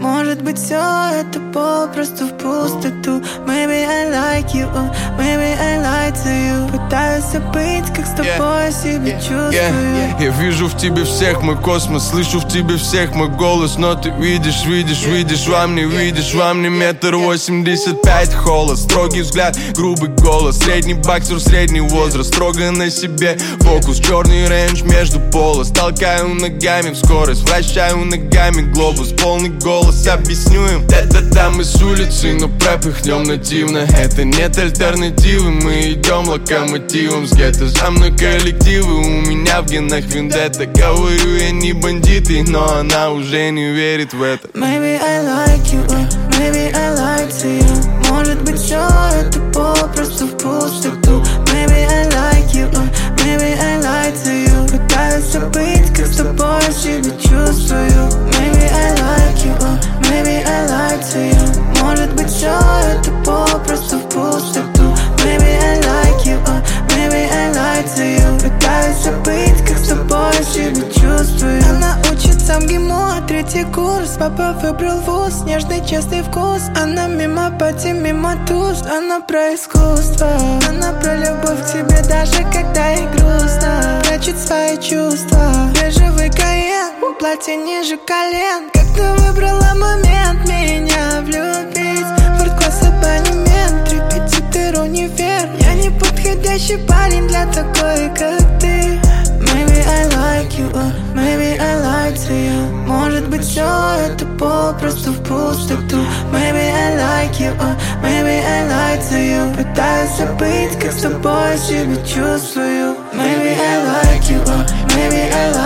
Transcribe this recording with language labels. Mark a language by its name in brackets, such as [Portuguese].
[Russian] Может быть, все это попросту в пустоту. [English] Maybe I like you, maybe I lied to you. [Russian] Пытаюсь забыть, как с тобой себя чувствую. Я вижу в тебе всех мой космос, слышу в тебе всех мой голос. Но ты видишь, видишь, видишь, во мне видишь. Во мне 1.85 холост. Строгий взгляд, грубый голос. Средний боксер, средний возраст. Строго на себе фокус. Черный рейндж между полос. Толкаю ногами в скорость, вращаю ногами глобус. Полный голос, объясню им. Это там из улицы, но пропыхнем нативно. Это нет альтернативы, мы идем локомотивом. С гетто за мной коллективы, у меня в генах вендетта. Говорю, я не бандит, но она уже не верит в это. [English] Maybe I like you, maybe I lied to you. [Russian] Может быть, все это попросту в пустоту. [English] Maybe I like you, maybe I lied to you. [Russian] Пытаюсь забыть, как с тобой себя чувствую. [English] Maybe I like you, maybe I lied to you. [Russian] Может быть, все это попросту в пустоту. [English] Maybe I like you, maybe I lied to you. [Russian] Пытаюсь забыть, как с тобой себя чувствую. Сам ГИМО, третий курс. Папа выбрал вуз, нежный, честный вкус. Она мимо пати, мимо туз. Она про искусство. Она про любовь к тебе, даже когда ей грустно. Прячет свои чувства. Бежевый Каен, платье ниже колен. Как ты выбрала момент меня влюбить? Форт-класс, абонемент, репетитор, универ. Я не подходящий парень для такой, как ты. [English] Maybe I like you, maybe I lied to you. [Russian] Может быть, все это попросту в пустоту. [English] Maybe I like you, maybe I lied to you. [Russian] Пытаюсь забыть, как с тобой себя чувствую. [English] Maybe I like you, maybe I